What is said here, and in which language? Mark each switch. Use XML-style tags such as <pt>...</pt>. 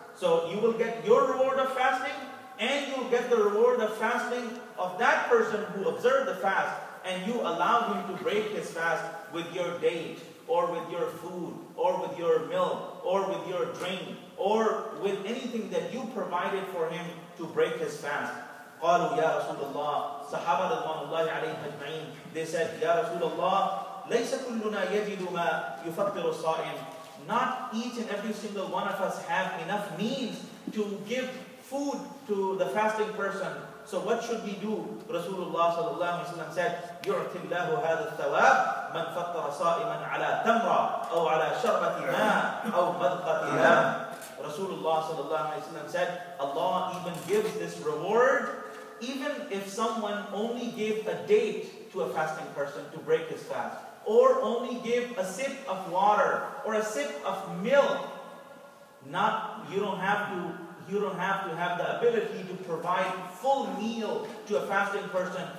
<en>So you will get your reward of fasting, and you will get the reward of fasting of that person who observed the fast, and you allow him to break his fast with your date, or with your food, or with your milk, or with your drink, or with anything that you provided for him to break his fast.</en> <ar>قَالُوا يَا رَسُولَ اللَّهِ صَحَابَ رَضْوَانُ اللَّهِ عَلَيْهِمْ أَجْمَعِينَ.</ar> <en>They said,</en> <ar>يَا رَسُولَ اللَّهِ لَيْسَ كُلُّنَا يَجِدُ مَا يُفَطِّرُ الصَّائِمِ.</ar> <en>Not each and every single one of us have enough means to give food to the fasting person. So what should we do? Rasulullah sallallahu alaihi wasallam said,</en> <ar>يُعْتِ اللَّهُ هَذَا الثَّوَابِ مَنْ فَطَّرَ صَائِمًا عَلَىٰ تَمْرًا أَوْ عَلَىٰ شَرْبَةِ مَاءٍ أَوْ مَذْقَةِ لَامٍ.</ar> <en>Rasulullah sallallahu alaihi wasallam said, Allah even gives this reward even if someone only gave a date to a fasting person to break his fast, or only gave a sip of water or a sip of milk. You don't have to have the ability to provide full meal to a fasting person.</en>